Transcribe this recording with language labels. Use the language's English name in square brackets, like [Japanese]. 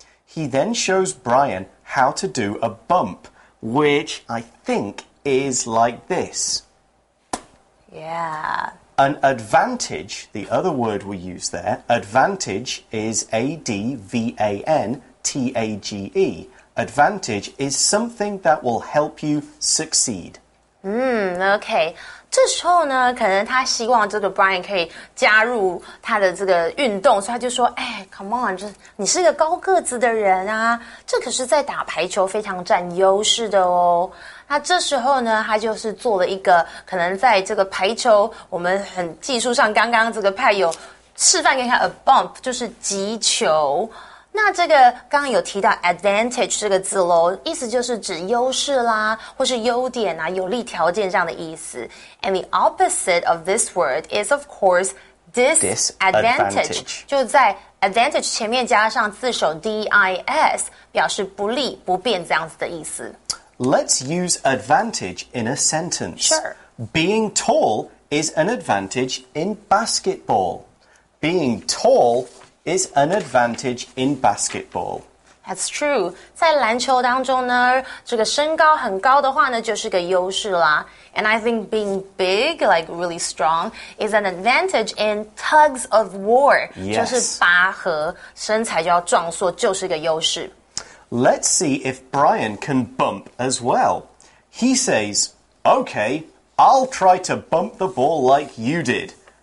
[English] He then shows Brian how to do a bump, which I think is like this. Yeah. An advantage, the other word we use there, advantage is A-D-V-A-N-T-A-G-E. Advantage is something that will help you succeed. Okay. [Chinese] 这时候呢，可能他希望这个 Brian 可以加入他的这个运动，所以他就说：“哎 ， [English] Come on， [Chinese] 这你是一个高个子的人啊，这可是在打排球非常占优势的哦。” 那这时候呢，他就是做了一个可能在这个排球我们很技术上刚刚这个派有示范给他 a bump， 就是击球。那这个刚刚有提到 advantage 这个字咯，意思就是指优势啦，或是优点啊，有利条件这样的意思。 [English] And the opposite of this word is, of course, disadvantage. [Chinese] 就在 advantage 前面加上字首 dis, 表示不利、不便这样子的意思。 [English] Let's use advantage in a sentence. Sure. Being tall is an advantage in basketball. Being tall... is an advantage in basketball. That's true. [Chinese] 在篮球当中呢，这个身高很高的话呢，就是个优势啦。 [English] And I think being big, like really strong, is an advantage in tugs of war. Yes. [Chinese] 就是拔河，身材就要壮硕，就是个优势。 [English] Let's see if Brian can bump as well. He says, okay, I'll try to bump the ball like you did.